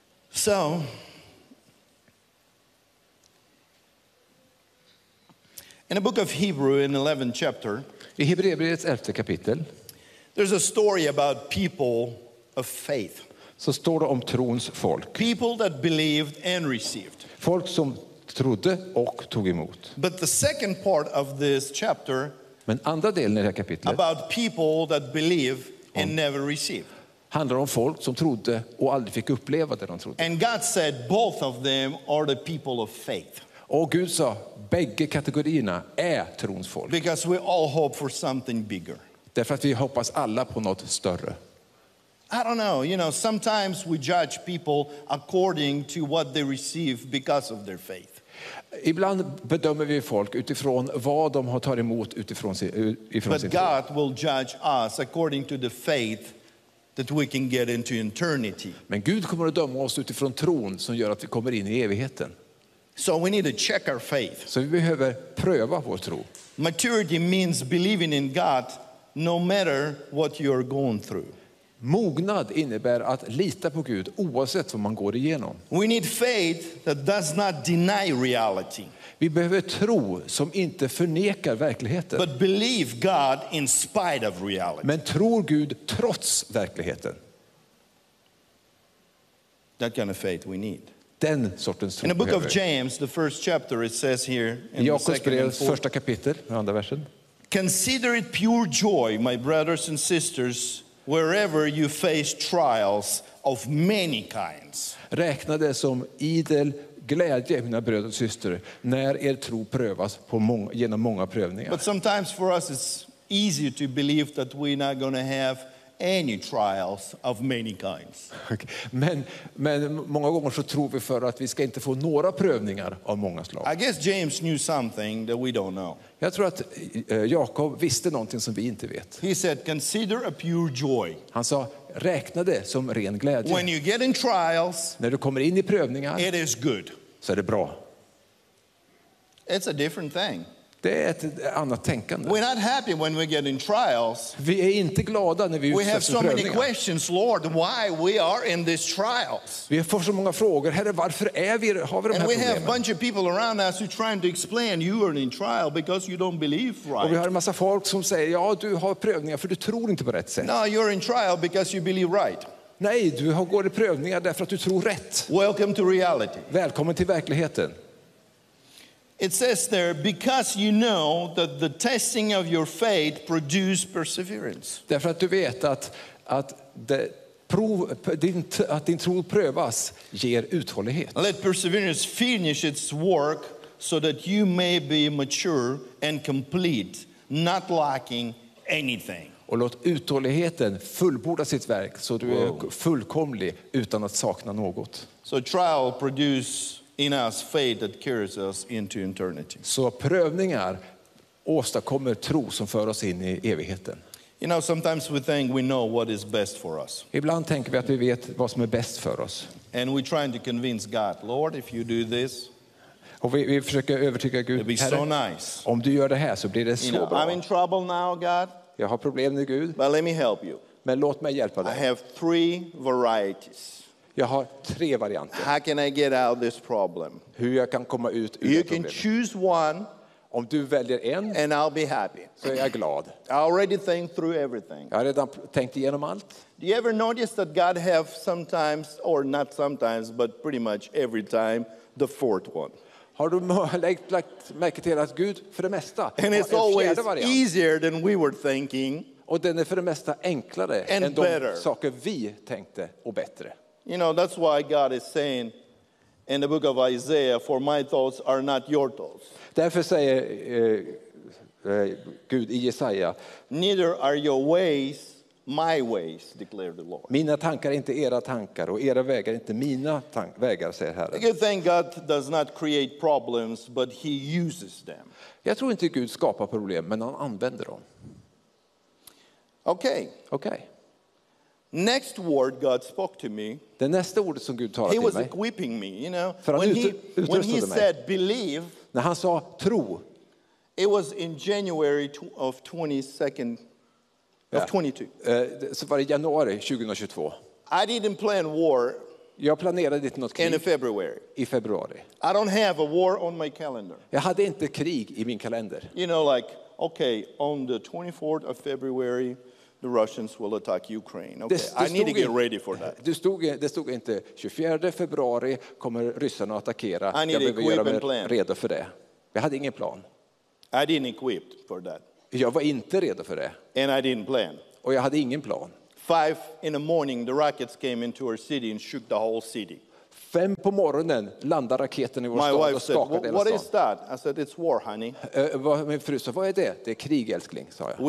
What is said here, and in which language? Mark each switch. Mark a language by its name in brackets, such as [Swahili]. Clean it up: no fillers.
[English] So, in the book of Hebrew, in the 11th chapter, [Swedish] i Hebreerbrevets 11 kapitel, [English] there's a story about people of faith. [Swedish] Så står det om trons folk. [English] People that believed and received. [Swedish] Folk som trodde och tog emot. [English] But the second part of this chapter. [Swedish] Men andra delen i det här kapitlet. [English] About people that believe and never received. [Swedish] Handlar om folk som trodde och aldrig fick uppleva det de trodde. [English] And God said both of them are the people of faith. [Swedish] Och Gud sa bägge kategorierna är trons folk. [English] Because we all hope for something bigger. [Swedish] Därför att vi hoppas alla på något större. [English] I don't know, you know, sometimes we judge people according to what they receive because of their faith. [Swedish] Ibland bedömer vi folk utifrån vad de har tagit emot utifrån sig. [English] But God will judge us according to the faith that we can get into eternity. [Swedish] Men Gud kommer att döma oss utifrån tron som gör att vi kommer in i evigheten. [English] So we need to check our faith. [Swedish] Så vi behöver pröva vår tro. [English] Maturity means believing in God no matter what you're going through. [Swedish] Mognad innebär att lita på Gud oavsett vad man går igenom. [English] We need faith that does not deny reality. [Swedish] Vi behöver tro som inte förnekar verkligheten. [English] But believe God in spite of reality. [Swedish] Men tror Gud trots verkligheten. [English] That kind of faith we need. [Swedish] Den sortens tro. [English] In the book of James, the first chapter, it says here in [Swedish] Jakobs brev, första kapitel, andra versen. [English] Consider it pure joy, my brothers and sisters, wherever you face trials of many kinds. [Swedish] Räkna det som idel glädje, mina bröder och systrar, när er tro prövas på genom många prövningar. [English] But sometimes for us it's easier to believe that we're not going to have any trials of many kinds. [Swedish] Men många gånger så tror vi för att vi ska inte få några prövningar av många slag. [English] I guess James knew something that we don't know. [Swedish] Jag tror att Jakob visste någonting som vi inte vet. [English] He said, consider a pure joy. [Swedish] Han sa, räkna det som ren glädje. [English] When you get in trials, [Swedish] när du kommer in i prövningar, [English] it is good. [Swedish] Så är det bra. [English] It's a different thing. [Swedish] Det är ett annat tänkande. [English] We're not happy when we get in trials. [Swedish] Vi är inte glada när vi utsätts för prövningar. [English] We have so many questions, Lord, why we are in these trials. [Swedish] Vi får så många frågor. Herre, varför är vi, har vi de här problemen? [English] And we have a bunch of people around us who are trying to explain you are in trial because you don't believe right. [Swedish] Och vi har en massa folk som säger, ja, du har prövningar för du tror inte på rätt sätt. [English] No, you're in trial because you believe right. [Swedish] Nej, du går i prövningar därför att du tror rätt. [English] Welcome to reality. [Swedish] Välkommen till verkligheten. [English] It says there, because you know that the testing of your faith produces perseverance. [Swedish] Därför att du vet att din tro prövas ger uthållighet. [English] Let perseverance finish its work so that you may be mature and complete, not lacking anything. [Swedish] Och låt uthålligheten fullborda sitt verk så du är fullkomlig utan att sakna något. [English] So trial produces in us faith that carries us into eternity. [Swedish] Så prövningar åstadkommer tro som för oss in i evigheten. [English] You know, sometimes we think we know what is best for us. [Swedish] Ibland tänker vi att vi vet vad som är bäst för oss. [English] And we're trying to convince God, Lord, if you do this, [Swedish] och vi försöker övertyga Gud, [English] it'll be so nice. [Swedish] Om du gör det här så blir det så bra. [English] I'm in trouble now, God. [Swedish] Jag har problem nu, Gud. [English] But let me help you. [Swedish] Men låt mig hjälpa dig. [English] I have three varieties. [Swedish] Jag har tre varianter. [English] How can I get out this problem? [Swedish] Hur jag kan komma ut ur problemet. [English] You can choose one. [Swedish] Om du väljer en, [English] and I'll be happy. [Swedish] Så är jag glad. [English] I already think through everything. [Swedish] Jag har redan tänkt igenom allt. [English] Do you ever notice that God have sometimes, or not sometimes, but pretty much every time, the fourth one? [Swedish] Har du lagt märke till att Gud för det mesta? [English] And it's always easier than we were thinking. [Swedish] Och den är för det mesta enklare än de saker vi tänkte och bättre. [English] You know, that's why God is saying in the book of Isaiah, for my thoughts are not your thoughts. [Swedish] Därför säger Gud i Jesaja, [English] neither are your ways my ways, declare the Lord. [Swedish] Mina tankar är inte era tankar och era vägar är inte mina vägar, säger Herren. [English] You think God does not create problems, but he uses them. [Swedish] Jag tror inte Gud skapar problem, men han använder dem. [English] Okay. [Swedish] Okay. [English] Next word God spoke to me. [Swedish] Det nästa ordet som Gud talade till mig. [English] He was equipping me, you know. [Swedish] För han [English] when he said believe. [Swedish] När han sa tro. [English] It was in January of 22nd of 22. [Swedish] Så var det januari 2022. [English] I didn't plan war. [Swedish] Jag planerade inte något krig. [English] In February. [Swedish] I februari. [English] I don't have a war on my calendar. [Swedish] Jag hade inte krig i min kalender. [English] You know, like okay, on the 24th of February, the Russians will attack Ukraine. Okay, I need to get ready for that. [Swedish] Det stod inte 24 februari kommer ryssarna att attackera. [English] I need [Swedish] jag behöver göra mig [English] plan. [Swedish] Redo för det. Jag hade ingen plan. [English] I didn't equipped for that. [Swedish] Jag var inte redo för det. [English] And I didn't plan. [Swedish] Och jag hade ingen plan. [English] 5 in the morning, the rockets came into our city and shook the whole city. [Swedish] 5 på morgonen landar raketen i vår [English] My [Swedish] stad och skakar hela staden. [English] What is that? I said it's war, honey. [Swedish] Min fru sa, vad är det? Det är krig, älskling, sa jag.